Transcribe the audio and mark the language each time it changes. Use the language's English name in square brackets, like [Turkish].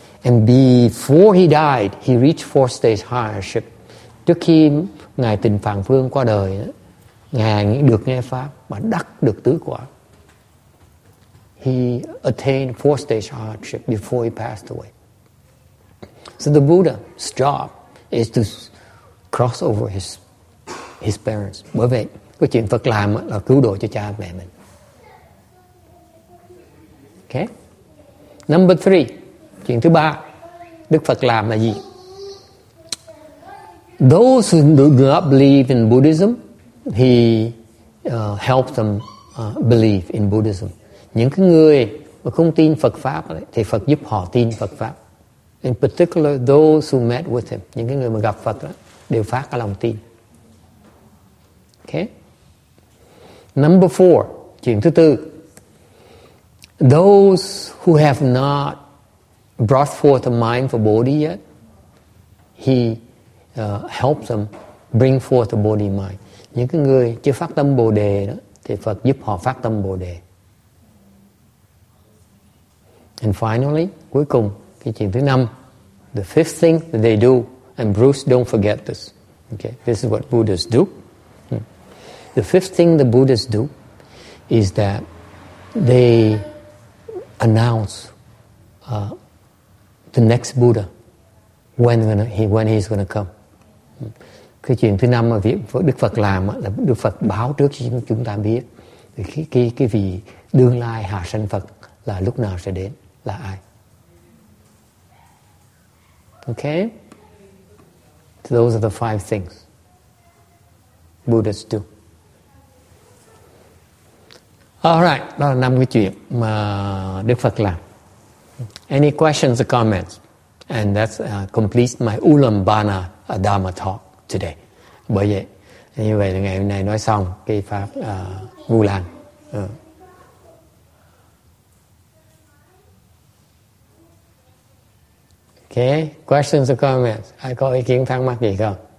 [English] And before he died, he reached four stage hardship. [Vietnamese] Trước khi Ngài Tịnh Phạn Vương qua đời, Ngài được nghe pháp và đắc được tứ quả. [English] He attained four stage hardship before he passed away. So the Buddha's job is to cross over his parents. [Vietnamese] Bởi vậy, cái chuyện Phật làm là cứu độ cho cha mẹ mình. Okay. [English] Number three, [Vietnamese] chuyện thứ ba, Đức Phật làm là gì? [English] Those who do not believe in Buddhism, he helps them believe in Buddhism. [Vietnamese] Những cái người mà không tin Phật pháp thì Phật giúp họ tin Phật pháp. [English] In particular, those who met with him, [Vietnamese] những cái người mà gặp Phật đều phát cái lòng tin. Okay. [English] Number four, [Vietnamese] chuyện thứ tư. [English] Those who have not brought forth a mind for Bodhi yet, he helps them bring forth the Bodhi mind. [Vietnamese] Những cái người chưa phát tâm Bồ Đề đó, thì Phật giúp họ phát tâm Bồ Đề. [English] And finally, [Vietnamese] cuối cùng, cái chuyện thứ năm, [English] the fifth thing that they do, and Bruce, don't forget this. Okay, this is what Buddhas do. The fifth thing the Buddhas do is that they announce the next Buddha when he's gonna come. Cái chuyện thứ năm mà Đức Phật làm là Đức Phật báo trước cho chúng ta biết cái vị đương lai hạ sanh Phật là lúc nào sẽ đến, là ai. Okay, so those are the five things Buddhas do. [Vietnamese] Alright, đó là năm cái chuyện mà Đức Phật làm. [English] Any questions or comments? And that completes my Ulambana Dharma talk today. [Vietnamese] Bởi vậy, như vậy là ngày hôm nay nói xong cái pháp Vu Lan. [English] Ok, questions or comments? [Vietnamese] Ai có ý kiến thắc mắc gì không?